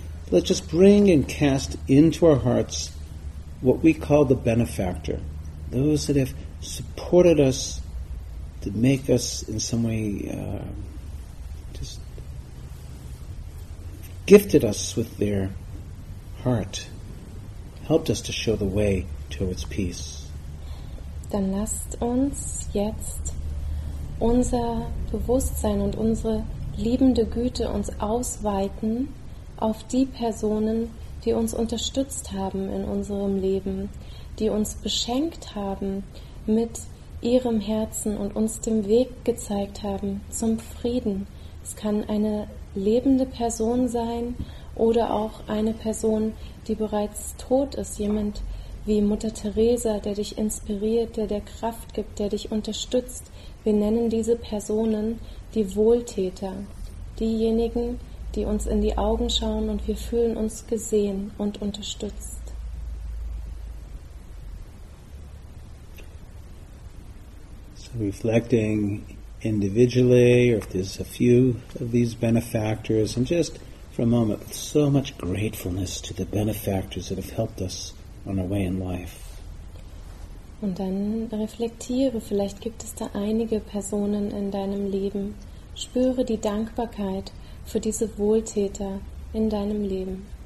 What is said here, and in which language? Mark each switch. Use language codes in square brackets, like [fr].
[en] Let's just bring and cast into our hearts what we call the benefactor, those that have supported us to make us in some way, just gifted us with their heart, helped us to show the way towards peace. [de] Dann lasst uns jetzt unser Bewusstsein und unsere liebende Güte uns ausweiten auf die Personen, die uns unterstützt haben in unserem Leben, die uns beschenkt haben mit ihrem Herzen und uns den Weg gezeigt haben zum Frieden. Es kann eine lebende Person sein oder auch eine Person, die bereits tot ist, jemand wie Mutter Teresa, der dich inspiriert, der dir Kraft gibt, der dich unterstützt. Wir nennen diese Personen die Wohltäter, diejenigen, die uns in die Augen schauen und wir fühlen uns gesehen und unterstützt. [en] So reflecting individually, or if there's a few of these benefactors, and just for a moment, with so much gratefulness to the benefactors that have helped us on our way in life. [de] Und dann reflektiere, vielleicht gibt es da einige Personen in deinem Leben. Spüre die Dankbarkeit für diese Wohltäter in deinem Leben.